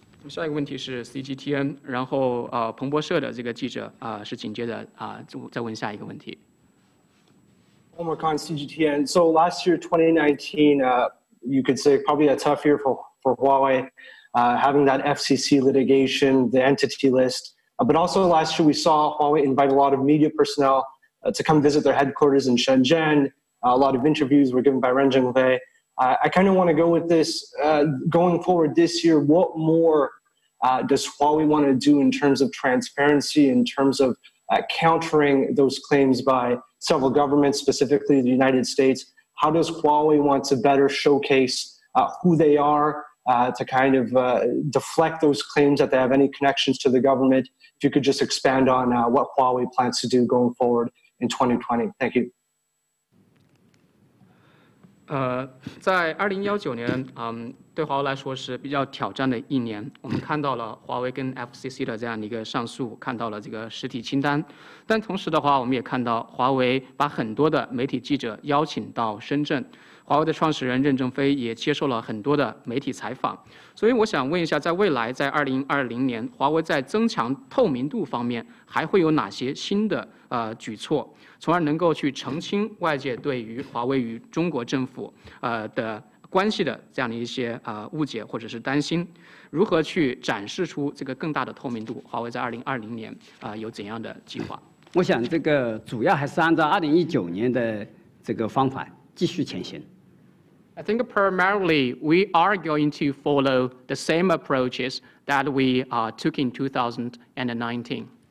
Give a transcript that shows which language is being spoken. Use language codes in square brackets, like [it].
[zh] 下一个问题是CGTN, 然后彭博社的这个记者是紧接着再问下一个问题。 [en] Omar Khan, CGTN. So last year, 2019, you could say probably a tough year for Huawei, having that FCC litigation, the entity list. But also last year, we saw Huawei invite a lot of media personnel to come visit their headquarters in Shenzhen. A lot of interviews were given by Ren Zhengfei. I kind of want to go with this. Going forward this year, what more does Huawei want to do in terms of transparency, in terms of countering those claims by several governments, specifically the United States? How does Huawei want to better showcase who they are to kind of deflect those claims that they have any connections to the government? If you could just expand on what Huawei plans to do going forward in 2020. Thank you. [zh] 在2019年，对华为来说是比较挑战的一年。我们看到了华为跟 FCC 的这样一个上诉，看到了这个实体清单。但同时的话，我们也看到华为把很多的媒体记者邀请到深圳，华为的创始人任正非也接受了很多的媒体采访。所以我想问一下，在未来，在2020年，华为在增强透明度方面还会有哪些新的举措，从而能够去澄清外界对于华为与中国政府的关系的这样的一些误解或者是担心，如何去展示出这个更大的透明度？华为在2020年有怎样的计划？我想这个主要还是按照2019年的这个方法继续前行。 [en] I think primarily we are going to follow the same approaches that we took in 2019.